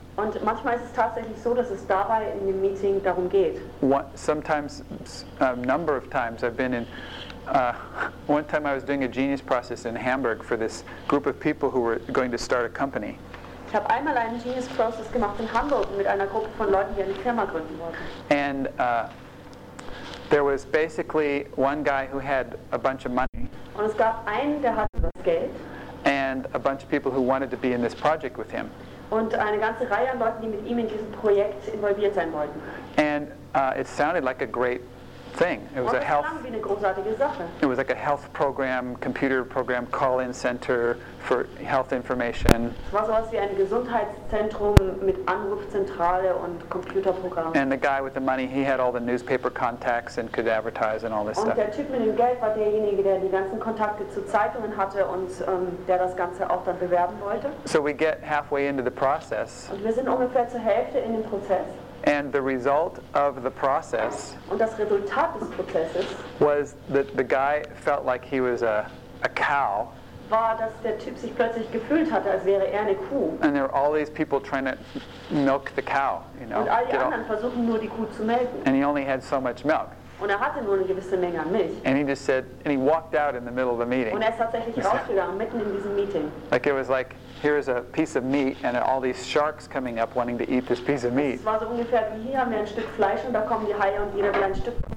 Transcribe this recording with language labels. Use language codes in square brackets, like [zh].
[de] Und manchmal ist es tatsächlich so, dass es dabei in dem Meeting darum geht. [en] One time I was doing a genius process in Hamburg for this group of people who were going to start a company. [de] Ich habe einmal einen genius process gemacht in Hamburg mit einer Gruppe von Leuten, die eine Firma gründen wollten. [en] And there was basically one guy who had a bunch of money. [de] Und es gab einen, der hatte was Geld. [en] And a bunch of people who wanted to be in this project with him. [de] Und eine ganze Reihe an Leuten, die mit ihm in diesem Projekt involviert sein wollten. [en] And it sounded like a great thing. It was [de] und [en] a health. [de] Wie eine großartige Sache. [en] It was like a health program, computer program, call-in center for health information. [de] Es war sowas wie ein Gesundheitszentrum mit Anrufzentrale und Computerprogramm. [en] And the guy with the money, he had all the newspaper contacts and could advertise and all this [de] und [en] stuff. [de] Und der Typ mit dem Geld war derjenige, der die ganzen Kontakte zu Zeitungen hatte und der das Ganze auch dann bewerben wollte. [en] So we get halfway into the process. [de] Und wir sind ungefähr zur Hälfte in dem Prozess. [en] And the result of the process [de] und das Resultat des Prozesses [en] was that the guy felt like he was a cow. [de] War, dass der Typ sich plötzlich gefühlt hatte, als wäre eine Kuh. [en] And there were all these people trying to milk the cow, you know. [de] Und all die anderen versuchen nur, die Kuh zu melken. [en] And he only had so much milk. [de] Und hatte nur eine gewisse Menge an Milch. [en] And he just said, and he walked out in the middle of the meeting. [de] Und tatsächlich rausgegangen, mitten in diesem Meeting. [en] Like it was like, here's a piece of meat and all these sharks coming up wanting to eat this piece of meat. [de] Es war so ungefähr wie hier, haben wir ein Stück Fleisch und da kommen die Haie und jeder will ein Stück.